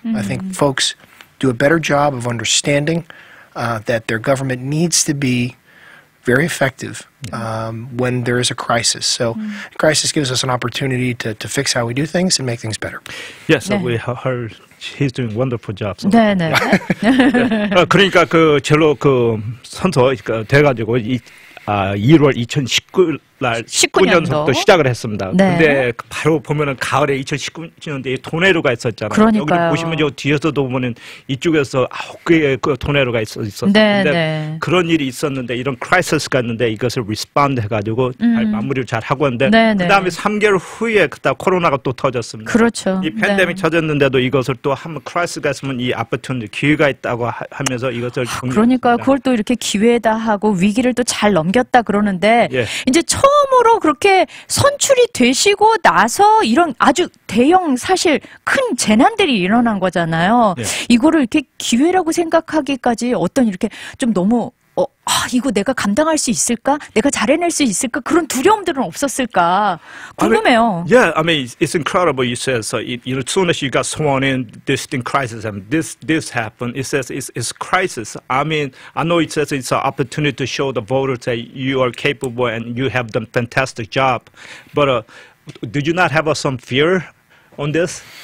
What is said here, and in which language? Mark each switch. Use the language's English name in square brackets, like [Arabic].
[English] I think folks do a better job of understanding that their government needs to be very effective when there is a crisis. So crisis gives us an opportunity to fix how we do things and make things better. Yes, yeah, so we heard he's doing wonderful job. So. [Korean] 네, 네. 네. 그러니까 그 제로 그 선서 돼가지고 이 1월 2019 날 19년도 시작을 했습니다. 네. 근데 바로 보면은 가을에 2019년도에 토네이도가 있었잖아요. 그러니까요. 여기 보시면 저 뒤에서도 보면은 이쪽에서 9개의 그 토네이도가 있었는데 네, 네. 그런 일이 있었는데 이런 크라이시스가 있는데 이것을 리스폰드 해가지고 마무리를 잘 하고 있는데 네, 그 다음에 3개월 후에 그때 코로나가 또 터졌습니다. 그렇죠. 이 팬데믹 네. 터졌는데도 이것을 또 한번 크라이시스가 있으면 이 아파트는 기회가 있다고 하면서 이것을 그러니까 그걸 또 이렇게 기회다 하고 위기를 또 잘 넘겼다 그러는데 예. 이제 처음으로 그렇게 선출이 되시고 나서 이런 아주 대형 사실 큰 재난들이 일어난 거잖아요. 예. 이거를 이렇게 기회라고 생각하기까지 어떤 이렇게 좀 너무 이거 내가 감당할 수 있을까? 내가 잘해낼 수 있을까? 그런 두려움들은 없었을까? 궁금해요. [English] I mean, yeah, I mean, it's incredible. You said so. You know, soon as you got sworn in, this thing crisis and this happened. It says it's crisis. I mean, I know it says it's an opportunity to show the voters that you are capable and you have done fantastic job. But did you not have some fear on this?